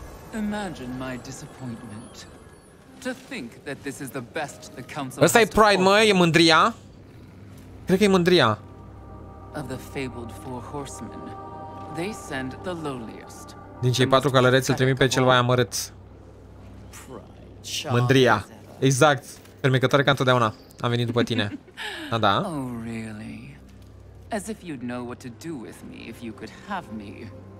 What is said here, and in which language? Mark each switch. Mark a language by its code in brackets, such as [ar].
[en] Imagine my disappointment to think that this is the best the council. [ro] Ăsta e Pride, mă, e mândria. Cred că e mândria. [en] Of the fabled four horsemen, they send the lowliest. [ro] Din cei patru călăreți îl trimit pe cel mai amărât. Mândria. Exact. Fermecătoare ca întotdeauna. Am venit după tine. Da. [en] Oh, really? As if you'd know what to do with me if you could have me.